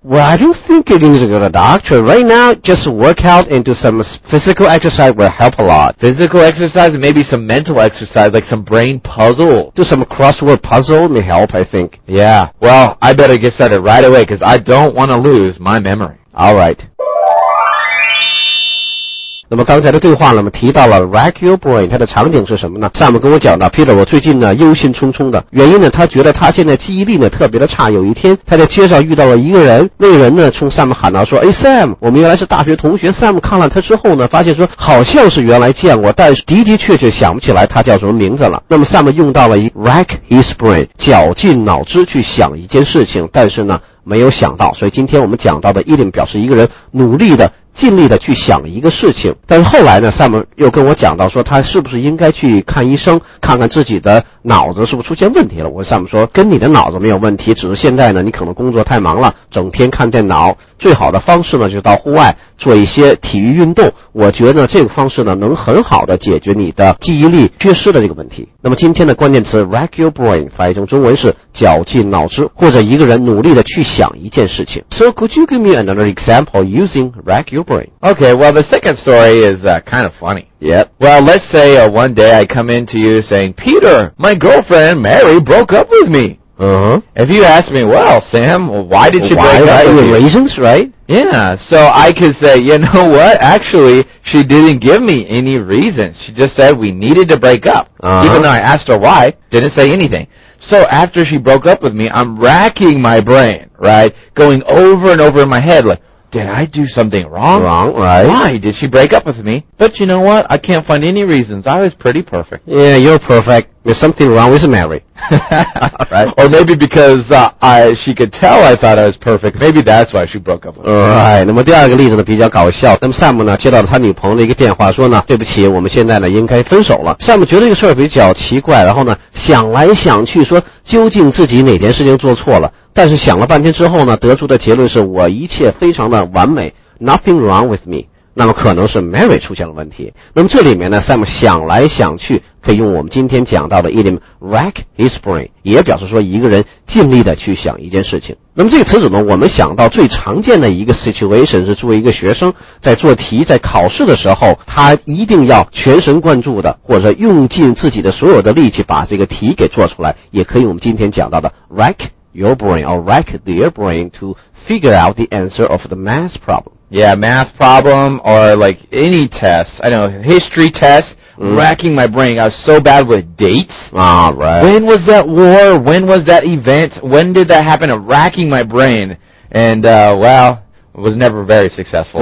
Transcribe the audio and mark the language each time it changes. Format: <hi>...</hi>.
<en>Well, I don't think you need to go to the doctor. Right now, just work out and do some physical exercise will help a lot. Physical exercise and maybe some mental exercise, like some brain puzzle. Do some crossword puzzle may help, I think. Yeah, well, I better get started right away because I don't want to lose my memory. All right.</en> <zh>那么刚才的对话呢，我们提到了 rack your brain， 它的场景是什么呢？上面跟我讲到 ，Peter， 我最近呢忧心忡忡的，原因呢，他觉得他现在记忆力呢特别的差。有一天，他在街上遇到了一个人，那个人呢冲 Sam 喊道说：“哎 ，Sam， 我们原来是大学同学。 ”Sam 看了他之后呢，发现说好像是原来见过，但是的的确确想不起来他叫什么名字了。那么 Sam 用到了 rack his brain， 绞尽脑汁去想一件事情，但是呢没有想到。所以今天我们讲到的 idiom 表示一个人努力的。尽力的去想一个事情但是后来呢 Sam 又跟我讲到说他是不是应该去看医生看看自己的脑子是不是出现问题了我跟 Sam 说跟你的脑子没有问题只是现在呢你可能工作太忙了整天看电脑最好的方式呢就到户外做一些体育运动我觉得这个方式呢能很好的解决你的记忆力缺失的这个问题那么今天的关键词 rack your brain 翻译成中文是绞尽脑汁或者一个人努力的去想一件事情</zh> <en>So could you give me another example using rack your brain? Okay, well the second story is kind of funny. Yep. Well, let's say one day I come in to you saying, Peter, my girlfriend Mary broke up with me. Uh-huh. If you ask me, well, Sam, why did you break up with you? Reasons, right? Yeah, so I could say, you know what? Actually, she didn't give me any reasons. She just said we needed to break up. Uh-huh. Even though I asked her why, didn't say anything. So after she broke up with me, I'm racking my brain, right? Going over and over in my head, like, did I do something wrong? Wrong, right. Why did she break up with me? But you know what? I can't find any reasons. I was pretty perfect. Yeah, you're perfect. There's something wrong with Mary. Right? Or maybe because she could tell I thought I was perfect. Maybe that's why she broke up with me. Right.</en> <zh>那么第二个例子呢比较搞笑。那么 Sam 呢接到了他女朋友的一个电话说呢对不起我们现在呢应该分手了。 Sam 觉得这个事儿比较奇怪然后呢想来想去说究竟自己哪件事情做错了。但是想了半天之后呢得出的结论是我一切非常的完美</zh> <en>Nothing wrong with me</en> <zh>那么可能是 Mary 出现了问题那么这里面呢 Sam 想来想去可以用我们今天讲到的 idiom rack his brain 也表示说一个人尽力的去想一件事情那么这个词组呢我们想到最常见的一个 situation 是作为一个学生在做题在考试的时候他一定要全神贯注的或者用尽自己的所有的力气把这个题给做出来也可以用我们今天讲到的</zh> <en>rackyour brain or rack their brain to figure out the answer of the math problem. Yeah, math problem or like any test. I know, history test, racking my brain. I was so bad with dates. Ah, right. When was that war? When was that event? When did that happen? Racking my brain. And, well, it was never very successful.</en>